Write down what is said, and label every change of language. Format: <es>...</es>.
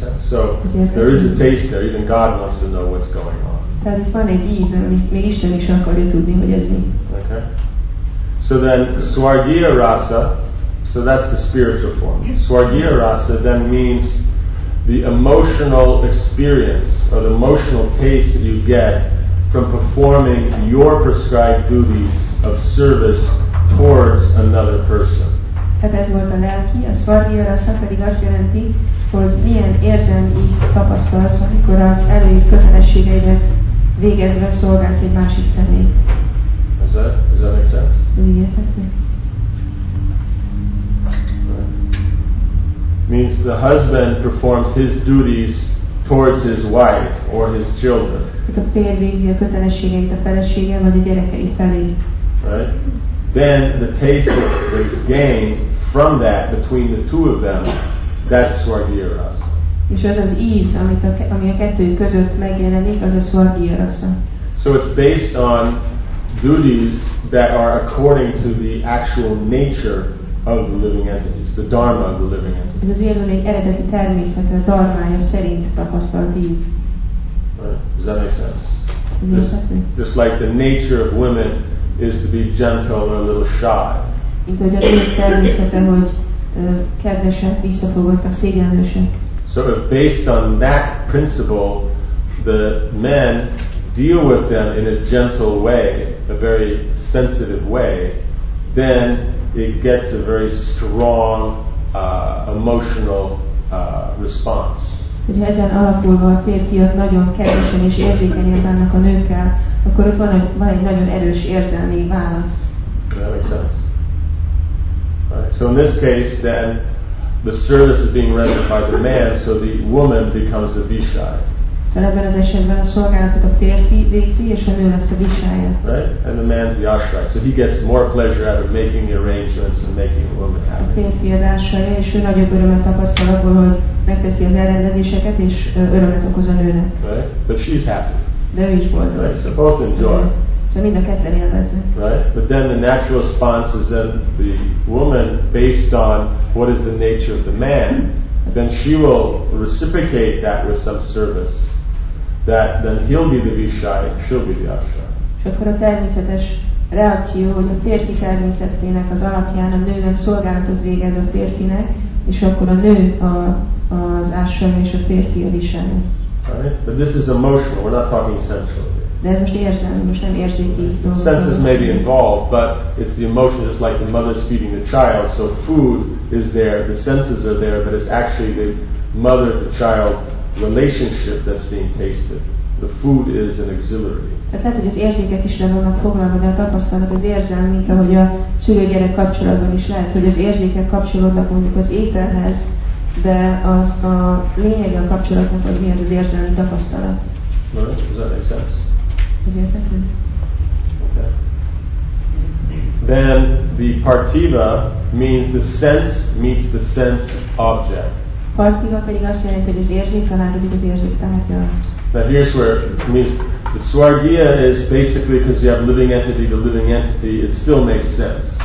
<en>So, there is a taste there, even God wants to know what's going on.</en> <hu>Tehát itt van egy íz, ami még Isten is akarja tudni, hogy ez mi.</hu> <en>Okay. So then, Swargiya Rasa, so that's the spiritual form. Swargiya Rasa then means the emotional experience, or the emotional taste that you get from performing your prescribed duties of service towards another person.</en> <hu>Tehát ez volt a lelki, a Swargiya Rasa pedig azt jelenti, hogy milyen érzelmi ízt tapasztalsz, amikor az előírt kötelességeidet végezve szolgálsz egy másik személyt.</hu> <en>Is that make sense?</en> <hu>Igen, tetszik.</hu> <en>Means the husband performs his duties towards his wife or his children.</en> <hu>A férj végzi a kötelességeit a felesége vagy a gyerekei felé.</hu> <en>Right? Then the taste that is gained from that between the two of them, that's Swargiya Rasa.</en> <hu>És az az íz, ami a kettőjük között megjelenik, az a Swargiya Rasa.</hu> <en>So it's based on duties that are according to the actual nature of the living entities, the dharma of the living entities.</en> <hu>Ez az élőlény eredeti természete, a dharmája szerint tapasztalt íz.</hu> <en>Does that make sense? Just like the nature of women is to be gentle or a little shy.</en> <hu>Itt a természete, hogy kedvesek, visszafogottak, szégyenlősek.</hu> <en>sort of based on that principle, the men deal with them in a gentle way, a very sensitive way, then it gets a very strong emotional response.</en> <hu>Hogy ezen alapulva a férfiak nagyon kedvesen és érzékenyen bánnak a nőkkel, akkor ott van egy nagyon erős érzelmi válasz.</hu> <en>That makes sense. Right. So in this case, then, the service is being rendered by the man, so the woman becomes a vishaya.</en> <hu>Ebben az esetben a szolgálatot a férfi végzi, és a nő lesz a vishaya.</hu> <en>Right? And the man's the ashraya. So he gets more pleasure out of making the arrangements and making the woman happy.</en> <hu>A férfi az ashraya, és ő nagyobb örömet tapasztal abból, hogy megteszi az elrendezéseket, és örömet okoz a nőnek.</hu> <en>Right? But she's happy.</en> <hu>De ő is boldog.</hu> <en>Right? So both enjoy.</en> <hu>De mind a ketten élveznek.</hu> <en>Right? But then the natural response is that the woman, based on what is the nature of the man, then she will reciprocate that with some service. That then he'll be the vishaya, she'll be the ashraya.</en> <hu>És akkor a természetes reakció, hogy a férfi természetének az alapján a nőnek szolgálatot végez a férfinek, és akkor a nő az ashraya és a férfi a vishaya.</hu> <en>Right? But this is emotional, we're not talking sensual.</en> <hu>De ez most érzelmi, most nem érzéki.</hu> <en>Senses may be involved, but it's the emotion, just like the mother's feeding the child. So food is there, the senses are there, but it's actually the mother-to-child relationship that's being tasted. The food is an auxiliary.</en> <hu>Tehát lehet, hogy az érzéket is le vannak foglalva, de a tapasztalat az érzelmi, mint ahogy a szülő-gyerek kapcsolatban is lehet, hogy az érzékek kapcsolódnak mondjuk az ételhez, de az a lényeg a kapcsolatnak az mi az az érzelmi tapasztalat.</hu> <en>Right, does that make sense? Okay. Then the partiva means the sense meets the sense object.</en> <hu>Partiva pedig azt jelenti, hogy az érzék találkozik az érzék tárgyal.</hu> <en>Now here's where it means the swargia is basically because you have living entity to living entity, it still makes sense.</en>